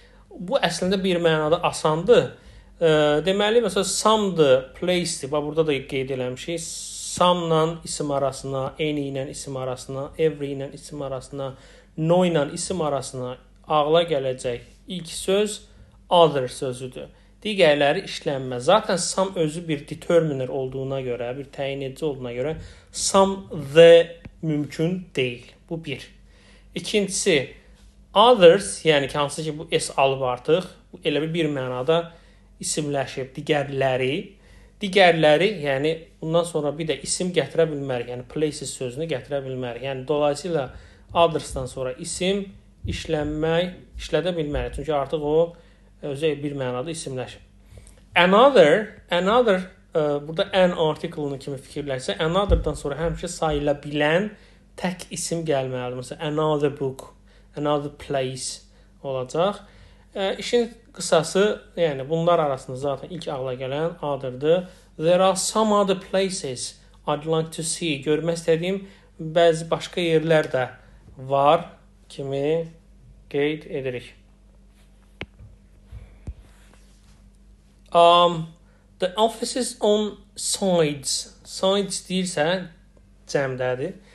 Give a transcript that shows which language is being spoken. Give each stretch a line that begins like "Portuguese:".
Azerbaijani: Bu, əslində, bir mənada asandır. Deməli, məsələn, some-dır, place-dir. Burada da qeyd eləmişik. Some-la isim arasına, any ilə isim arasına, every ilə isim arasına, no ilə isim arasına ağla gələcək ilk söz other sözüdür. Digərləri işlənməz. Zaten some özü bir determiner olduğuna görə, bir təyin edici olduğuna görə some the mümkün deyil. Bu bir. İkincisi, others, yəni ki, hansı ki, bu s alıb artıq, bu elə bir mənada isimləşib digərləri. Digərləri, yəni bundan sonra bir də isim gətirə bilmərik, yəni places sözünü gətirə bilmərik. Yəni dolayısıyla others-dan sonra isim işlədə bilməli. Çünki artıq o özü bir mənada isimləşib. Another, burada an artiklını kimi fikirləşsə, another-dan sonra həmişə sayıla bilən tək isim gəlməli. Məsələn,
English: another book, another place
Azerbaijani: olacaq. İşin qısası, yəni bunlar arasında zaten ilk ağla gələn other-dır.
English: There are some other places I'd like to see.
Azerbaijani: Görmək istədiyim bəzi başqa yerlər də var kimi qeyd edirik.
English: The offices on sides. Sides
Azerbaijani: deyilsə, cəmdədir.